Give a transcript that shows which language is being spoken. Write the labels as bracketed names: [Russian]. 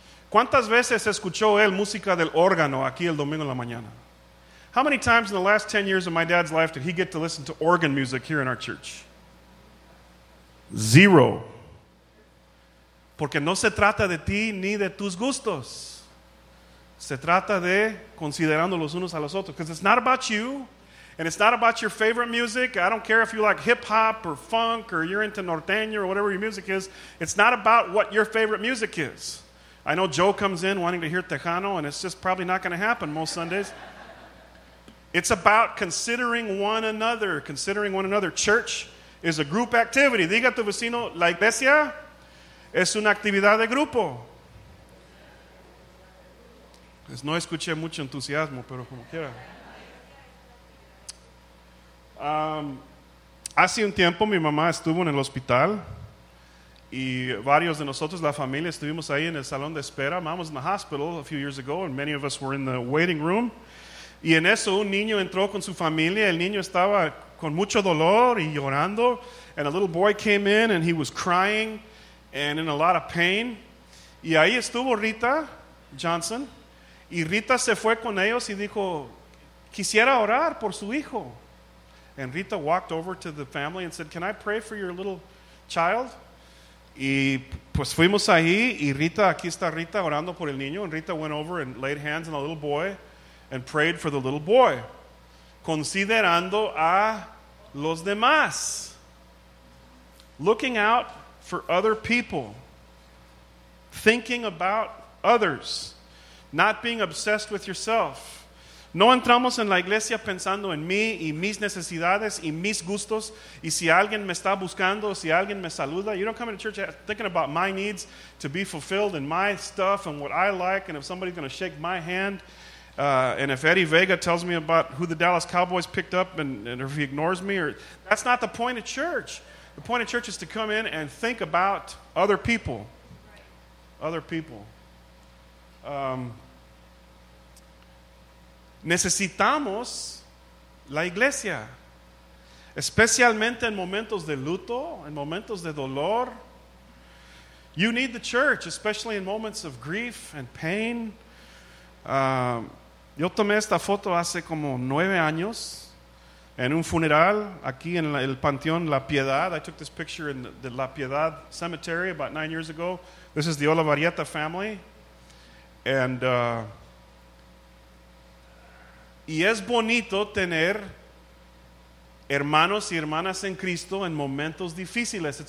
[Spanish] ¿Cuántas veces escuchó él música del órgano aquí el domingo en la mañana? [English] How many times in the last 10 years of my dad's life did he get to listen to organ music here in our church? Zero. [Spanish] Porque no se trata de ti ni de tus gustos. Se trata de considerando los unos a los otros. [English] Because it's not about you. And it's not about your favorite music. I don't care if you like hip-hop or funk or you're into norteño or whatever your music is. It's not about what your favorite music is. I know Joe comes in wanting to hear Tejano, and it's just probably not going to happen most Sundays. It's about considering one another. Considering one another. Church is a group activity. [Spanish] Diga tu vecino, la iglesia es una actividad de grupo. Pues no escuché mucho entusiasmo, pero como quiera. Hace un tiempo mi mamá estuvo en el hospital y varios de nosotros, la familia, estuvimos ahí en el salón de espera. [English] Mom was in the hospital a few years ago and many of us were in the waiting room. [Spanish] Y en eso un niño entró con su familia. El niño estaba con mucho dolor y llorando. [English] And a little boy came in and he was crying and in a lot of pain. [Spanish] Y ahí estuvo Rita Johnson. Y Rita se fue con ellos y dijo, quisiera orar por su hijo. [English] And Rita walked over to the family and said, can I pray for your little child? [Spanish] Y pues fuimos ahí, y Rita, aquí está Rita orando por el niño. [English] And Rita went over and laid hands on the little boy and prayed for the little boy. [Spanish] Considerando a los demás. [English] Looking out for other people. Thinking about others. Not being obsessed with yourself. [Spanish] No entramos en la iglesia pensando en mí y mis necesidades y mis gustos y si alguien me está buscando, si alguien me saluda. [English] You don't come into church thinking about my needs to be fulfilled and my stuff and what I like and if somebody's going to shake my hand. And if Eddie Vega tells me about who the Dallas Cowboys picked up and if he ignores me. Or that's not the point of church. The point of church is to come in and think about other people. Other people. [Spanish] Necesitamos la iglesia, especialmente en momentos de luto, en momentos de dolor. [English] You need the church, especially in moments of grief and pain. [Spanish] Yo tomé esta foto hace como 9 años en un funeral aquí en el Panteón La Piedad. [English] I took this picture in the La Piedad Cemetery about 9 years ago. This is the Olavarrieta family. And [Spanish] y es bonito tener hermanos y hermanas en Cristo en momentos difíciles.